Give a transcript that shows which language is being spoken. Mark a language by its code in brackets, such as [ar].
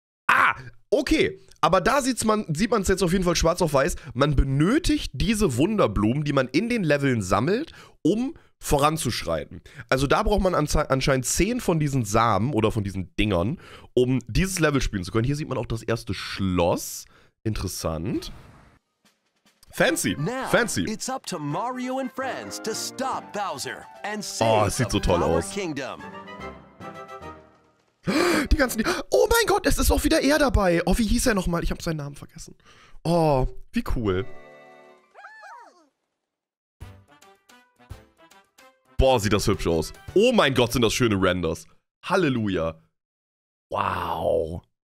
[de] Ah, okay. Aber da sieht man es jetzt auf jeden Fall schwarz auf weiß. Man benötigt diese Wunderblumen, die man in den Leveln sammelt, um voranzuschreiten. Also da braucht man anscheinend 10 von diesen Samen oder von diesen Dingern, um dieses Level spielen zu können. Hier sieht man auch das erste Schloss. Interessant. Fancy. [en] Now, fancy. It's up to Mario and friends to stop Bowser and save [de] es sieht so toll aus. [en] Kingdom. [de] Die ganzen... Oh mein Gott, es ist auch wieder er dabei. Oh, wie hieß er nochmal? Ich habe seinen Namen vergessen. Oh, wie cool. Boah, sieht das hübsch aus. Oh mein Gott, sind das schöne Renders. Halleluja. Wow.